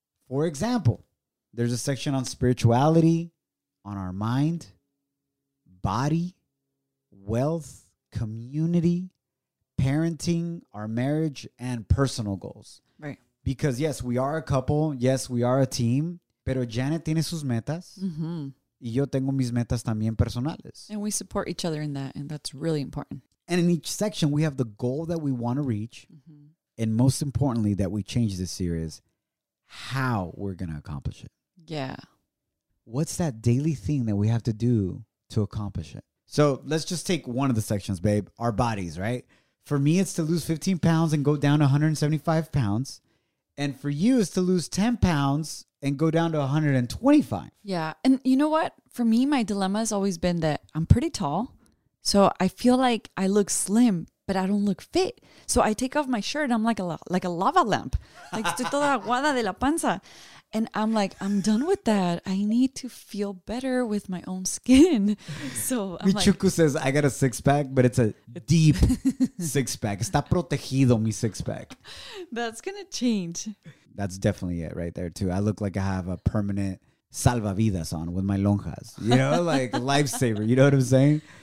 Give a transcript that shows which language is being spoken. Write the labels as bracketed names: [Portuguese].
[English] For example, there's a section on spirituality, on our mind, body, wealth, community, parenting, our marriage, and personal goals. Right. Because yes, we are a couple. Yes, we are a team. [Spanish] Pero Janet tiene sus metas. Mm-hmm. Y yo tengo mis metas también personales. [English] And we support each other in that. And that's really important. And in each section, we have the goal that we want to reach. Mm-hmm. And most importantly, that we change this year is how we're going to accomplish it. Yeah. What's that daily thing that we have to do to accomplish it? So let's just take one of the sections, babe. Our bodies, right? For me, it's to lose 15 pounds and go down to 175 pounds. And for you, it's to lose 10 pounds and go down to 125. Yeah. And you know what? For me, my dilemma has always been that I'm pretty tall. So I feel like I look slim, but I don't look fit. So I take off my shirt. I'm like a lava lamp. [Spanish] Like, estoy toda aguada de la panza. [English] And I'm like, I'm done with that. I need to feel better with my own skin. So I'm Michuku like, says, I got a six pack, but it's a deep six pack. [Spanish] Está protegido mi six pack. [English] That's going to change. That's definitely it right there too. I look like I have a permanent [Spanish] salvavidas [English] on with my [Spanish] lonjas, [English] you know, like lifesaver. You know what I'm saying?